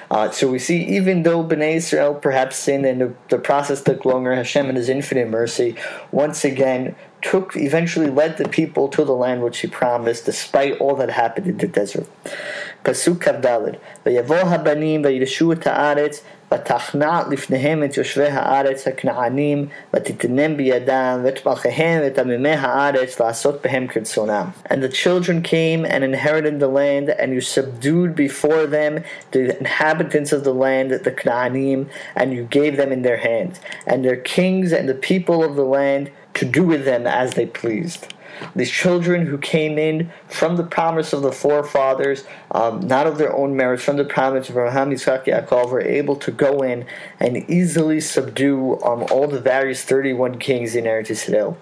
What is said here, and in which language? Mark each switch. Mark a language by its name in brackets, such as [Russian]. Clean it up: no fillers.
[English] So we see, even though Bnei Israel perhaps sinned and the process took longer, Hashem in His infinite mercy once again eventually led the people to the land which He promised, despite all that happened in the desert. Pasuk Kavdalid. [Hebrew] V'yavo habanim v'yirshu et ha'aretz ותכנע לפניהם את יושבי הארץ הכנענים ותתנם בידם ואת מלכיהם ואת עמימי הארץ לעשות בהם כרצונם. [English] And the children came and inherited the land, and you subdued before them the inhabitants of the land, the Knaanim, and you gave them in their hands, and their kings and the people of the land to do with them as they pleased. These children who came in from the promise of the forefathers, not of their own merits, from the promise of Abraham, Yitzchak, Yaakov, were able to go in and easily subdue all the various 31 kings in Eretz Yisrael.